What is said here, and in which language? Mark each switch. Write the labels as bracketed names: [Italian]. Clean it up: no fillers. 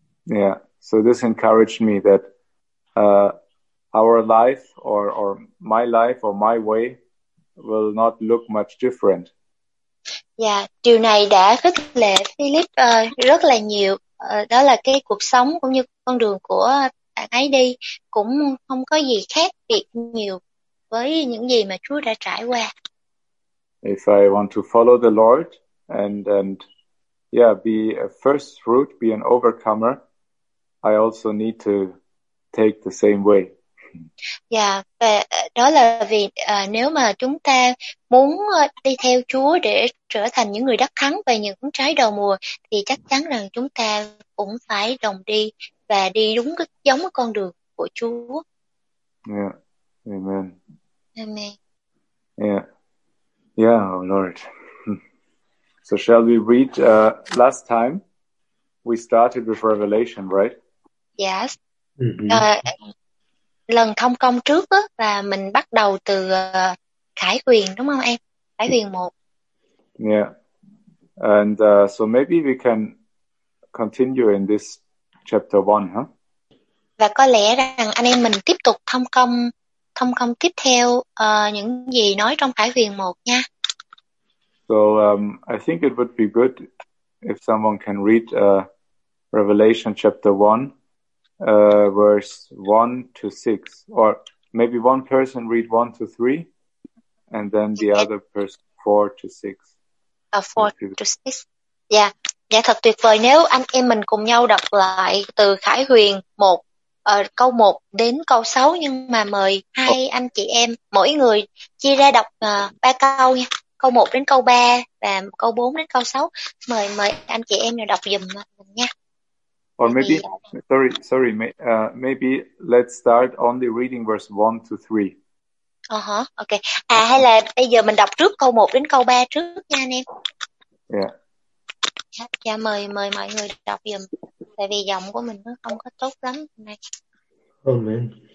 [English] Yeah, so this encouraged me that our life or my life or my way will not look much different. [Vietnamese] Yeah, điều này đã khích lệ Philip rất là nhiều. Đó là cái cuộc sống cũng như con đường của bạn ấy đi cũng không có gì khác biệt nhiều với những gì mà Chúa đã trải qua. [English] If I want to follow the Lord and yeah, be a first fruit, be an overcomer, I also need to take the same way. [Vietnamese] Yeah, và đó là vì nếu mà chúng ta muốn đi theo Chúa để trở thành những người đắc thắng và những trái đầu mùa thì chắc chắn rằng chúng ta cũng phải đồng đi và đi đúng cái giống cái con đường của Chúa. [English] Yeah. Amen. Amen. Yeah. Yeah, oh Lord. So shall we read last time we started with Revelation, right? Yes. Mm-hmm. [Vietnamese] Lần thông công trước đó, là mình bắt đầu từ Khải Huyền đúng không em? Khải Huyền 1. [English] Yeah. And so maybe we can continue in this chapter 1, huh? [Vietnamese] Và có lẽ rằng anh em mình tiếp tục thông công tiếp theo những gì nói trong Khải Huyền 1 nha. [English] So I think it would be good if someone can read Revelation chapter 1. Verse 1-6, or maybe one person read 1-3, and then the other person 4-6. 4-6. [Vietnamese] Yeah, yeah, thật tuyệt vời nếu anh em mình cùng nhau đọc lại từ Khải Huyền 1, câu 1 đến câu 6, nhưng mà mời hai anh chị em, mỗi người chia ra đọc 3 câu nha, câu 1 đến câu 3, và câu 4 đến câu 6, mời anh chị em đọc giùm mình nha. [English] Or maybe, sorry, maybe let's start only reading verse 1-3. Uh-huh, okay. [Vietnamese] À, hay là bây giờ mình đọc trước câu 1 đến câu 3 trước nha anh em. [English] Yeah. [Vietnamese] Dạ, mời mọi người đọc giùm. Tại vì giọng của mình nó không có tốt lắm. Này. Amen.